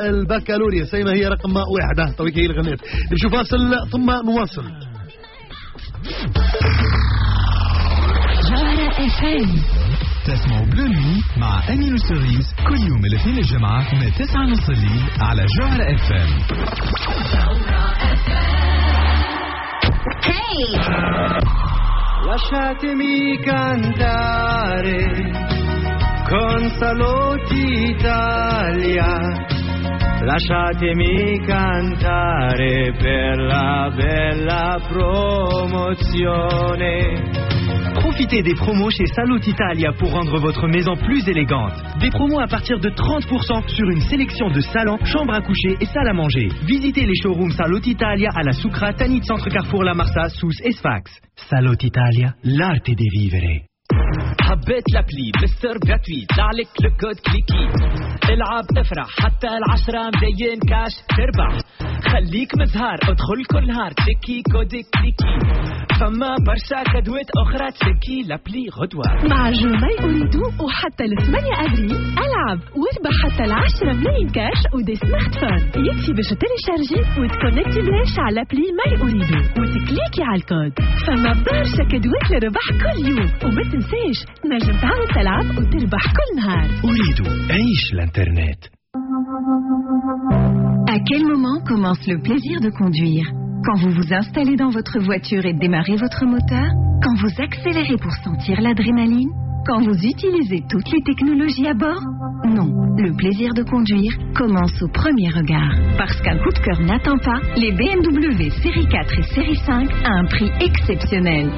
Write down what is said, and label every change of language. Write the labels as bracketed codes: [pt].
[ar] البكالوريا سايما هي رقم واحد تويكا هي اللي غنيت نمشيو فاصل ثم نواصل تسمعوا بلومي مع أمين السيريس كل يوم الاثنين الجمعة من 9:30 الليل على جوهرة اف ام [it] Lasciatemi cantare con saluti Italia Lasciatemi cantare per la bella promozione [fr] Profitez des promos chez Salut Italia pour rendre votre maison plus élégante. Des promos à partir de 30% sur une sélection de salons, chambres à coucher et salles à manger. Visitez les showrooms Salut Italia à la Soukra, Tanit Centre Carrefour, La Marsa, Sousse et Sfax. [it] Salut Italia, l'arte de vivere. [ar] حبيت لابلي بالسر جاتلي دعلك لكود كليكي العب افرح حتى العشرة مليين كاش تربح خليك مزهار ادخل كل نهار تكي كود كليكي فما برشا كدوات اخرى تكي لابلي غدوة مع جوماي اريدو وحتى الثمانية ابريل العب واربح حتى العشرة مليين كاش ودي سمارت فون يكفي باش تيليشارجي وتكونكتي بلاش على لابلي ماي اريدو وتكليكي على الكود فما برشا كدوات لربح كل يوم وما تنسيش نجم تعاود تلعب وتربح كل نهار أريد عيش الانترنت [fr] À quel moment commence le plaisir de conduire ? Quand vous vous installez dans votre voiture et démarrez votre moteur ? Quand vous accélérez pour sentir l'adrénaline ? Quand vous utilisez toutes les technologies à bord ? Non, le plaisir de conduire commence au premier regard. Parce qu'un coup de cœur n'attend pas, les BMW série 4 et série 5 à un prix exceptionnel.